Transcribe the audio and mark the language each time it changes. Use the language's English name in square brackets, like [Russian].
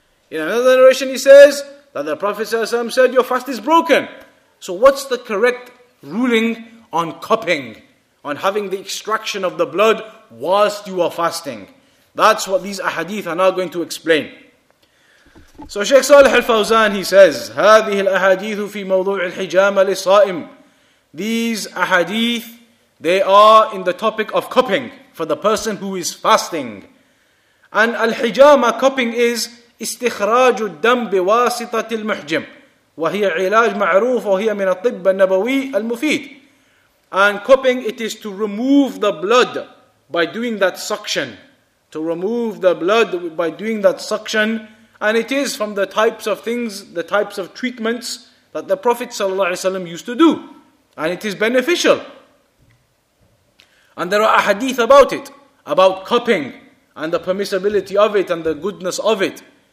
[English] In another narration he says that the Prophet ﷺ said your fast is broken. So what's the correct ruling on cupping? On having the extraction of the blood whilst you are fasting? That's what these ahadith are now going to explain. So Sheikh Saleh Al-Fawzan, he says, [Arabic] هذه الأحاديث في موضوع الحجامة للصائم. [English] These ahadith, they are in the topic of cupping for the person who is fasting. And al-hijama, cupping, is [Arabic] استخراج الدم بواسطة المحجم وهي علاج معروف وهي من الطب النبوي المفيد. [English] And cupping, it is to remove the blood by doing that suction. To remove the blood by doing that suction, And it is from the types of things, the types of treatments that the Prophet ﷺ used to do. And it is beneficial. And there are ahadith about it, about cupping, and the permissibility of it, and the goodness of it.